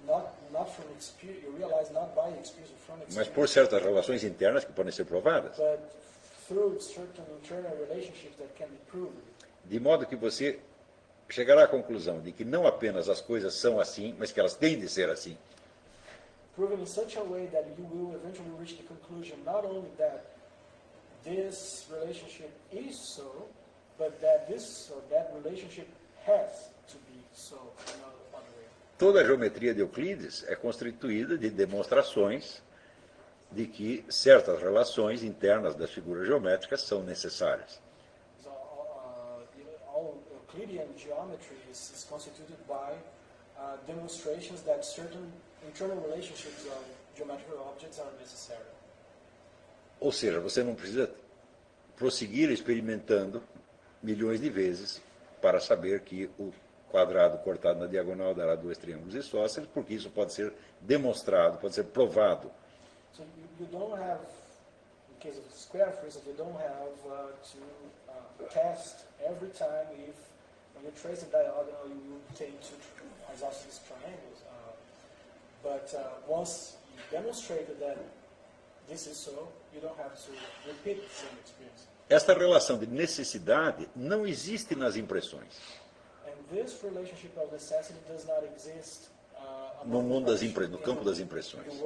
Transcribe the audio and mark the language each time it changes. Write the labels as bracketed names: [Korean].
[English] not from experience, you realize not by experience, from experience, [Portuguese] mas por certas relações internas que podem ser provadas. [English] But through certain internal relationships that can be proven. [Portuguese] De modo que você chegará à conclusão de que não apenas as coisas são assim, mas que elas têm de ser assim. [English] Proven in such a way that you will eventually reach the conclusion not only that this relationship is so, but that this or that relationship has to be so. [Portuguese] Toda a geometria de Euclides é constituída de demonstrações de que certas relações internas das figuras geométricas são necessárias. [English] So, all Euclidean geometry is constituted by demonstrations that certain internal relationships of geometrical objects are necessary. [Portuguese] Ou seja, você não precisa prosseguir experimentando milhões de vezes para saber que o quadrado cortado na diagonal dará dois triângulos isósceles, porque isso pode ser demonstrado, pode ser provado. [English] So you don't have, in case of square, for example, you don't have to test every time if, when you trace a diagonal, you obtain two isosceles triangles. But once you demonstrate that this is so, you don't have to repeat the same experience. [Portuguese] Esta relação de necessidade não existe nas impressões. [English] This relationship of necessity does not exist [Portuguese] no mundo das impressões, no campo das impressões.